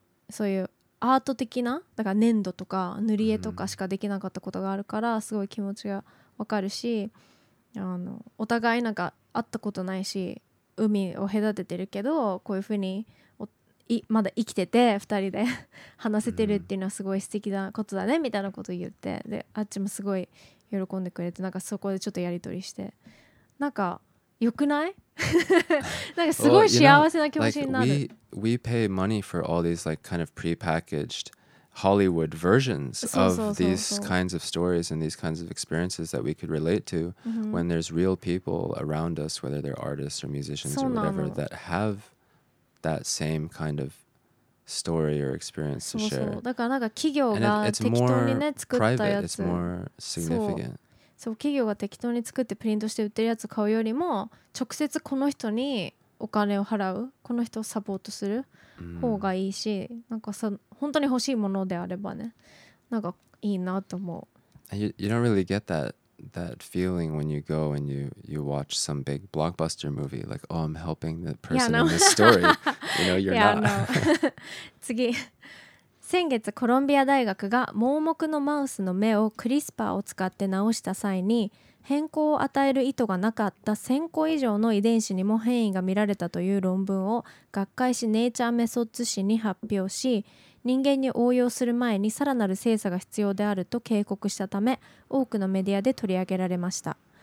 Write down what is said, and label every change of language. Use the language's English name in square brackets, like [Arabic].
[Japanese] そういうアート的な、だから粘土とか塗り絵とかしかできなかったことがあるから、すごい気持ちがわかるし、お互いなんか会ったことないし、海を隔ててるけど、こういうふうにまだ生きてて二人で話せてるっていうのはすごい素敵なことだねみたいなことを言って、であっちもすごい喜んでくれて、なんかそこでちょっとやり取りして、なんか良くない？なんかすごい幸せな気持ちになる。 [English] Well, you know, like, we pay money for all these like kind of prepackaged Hollywood versions of these kinds of stories and these kinds of experiences that we could relate to、mm-hmm. when there's real people around us, whether they're artists or musicians or whatever, that haveThat same kind of story or experience to share. [Japanese] だからなんか企業が適当にね作ったやつ。 [English] It's more significant. [Japanese] そう、企業が適当に作ってプリントして売ってるやつ買うよりも、直接この人にお金を払う、この人をサポートする方がいいし、なんかさ本当に欲しいものであればね、なんかいいなと思う。 [English] You don't really get that feeling when you go and you watch some big blockbuster movie, like, oh, I'm helping the person in this story. You know, you're not. [Japanese] 次、先月コロンビア大学が盲目のマウスの目をクリスパーを使って治した際に変更を与える意図がなかった1000個以上の遺伝子にも変異が見られたという論文を学会誌ネイチャーメソッツ誌に発表し、人間に応用する前にさらなる精査が必要であると警告したため多くのメディアで取り上げられました。